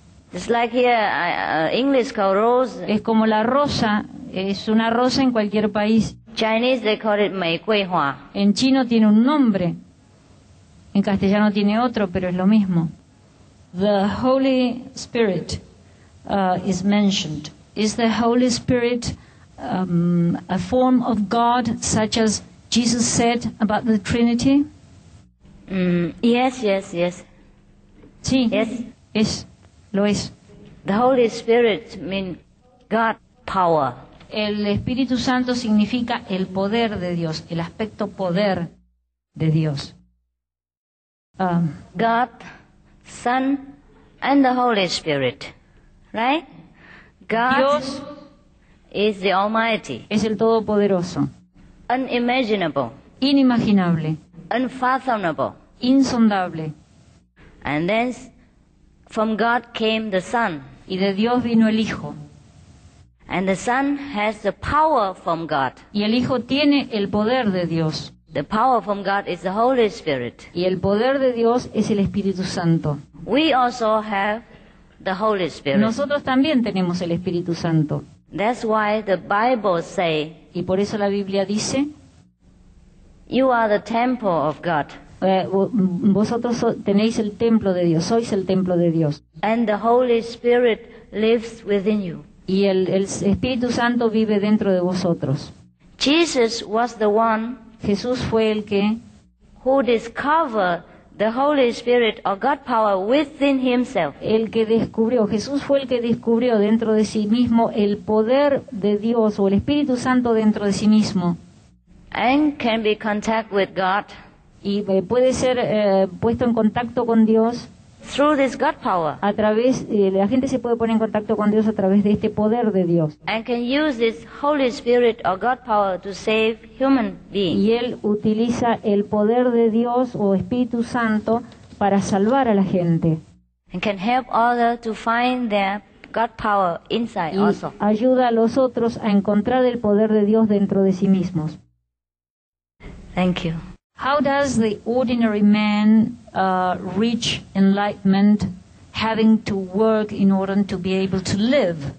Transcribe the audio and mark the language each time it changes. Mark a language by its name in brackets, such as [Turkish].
[English] It's like here, English called rose. [Spanish] Es como la rosa, es una rosa en cualquier país. [English] Chinese they call it Mei Gui Hua. [Spanish] En chino tiene un nombre, en castellano tiene otro, pero es lo mismo. [English] The Holy Spirit is mentioned. Is the Holy Spirit a form of God, such as Jesus said about the Trinity? Yes. [Spanish] Sí. [English] Yes. [Spanish] Es. Lo es. [English] The Holy Spirit means God power. [Spanish] El Espíritu Santo significa el poder de Dios, el aspecto poder de Dios. [English] God, Son, and the Holy Spirit, right? God [Spanish] Dios [English] is the Almighty. [Spanish] Es el Todopoderoso. [English] Unimaginable. [Spanish] Inimaginable. [English] Unfathomable. [Spanish] Insondable. [English] And then from God came the Son. [Spanish] Y de Dios vino el Hijo. [English] And the Son has the power from God. [Spanish] Y el Hijo tiene el poder de Dios. [English] The power from God is the Holy Spirit. [Spanish] Y el poder de Dios es el Espíritu Santo. [English] We also have the Holy Spirit. [Spanish] Nosotros también tenemos el Espíritu Santo. [English] That's why the Bible say. [Spanish] Y por eso la Biblia dice. [English] You are the temple of God. [Spanish] Vosotros tenéis el templo de Dios, sois el templo de Dios. [English] And the Holy Spirit lives within you. [Spanish] Y el Espíritu Santo vive dentro de vosotros. [English] Jesus was the one. [Spanish] Jesús fue el que [English] who discovered the Holy Spirit or God power within himself. [Spanish] El que descubrió, Jesús fue el que descubrió dentro de sí mismo el poder de Dios o el Espíritu Santo dentro de sí mismo. [English] And can be contact with God. [Spanish] Y puede ser puesto en contacto con Dios [English] through this God power. [Spanish] A través la gente se puede poner en contacto con Dios a través de este poder de Dios. [English] And can use this Holy Spirit or God power to save human beings. [Spanish] Y él utiliza el poder de Dios o Espíritu Santo para salvar a la gente. [English] And can help others to find their God power inside [Spanish] y [English] also. [Spanish] Ayuda a los otros a encontrar el poder de Dios dentro de sí mismos. [English] Thank you. How does the ordinary man reach enlightenment, having to work in order to be able to live?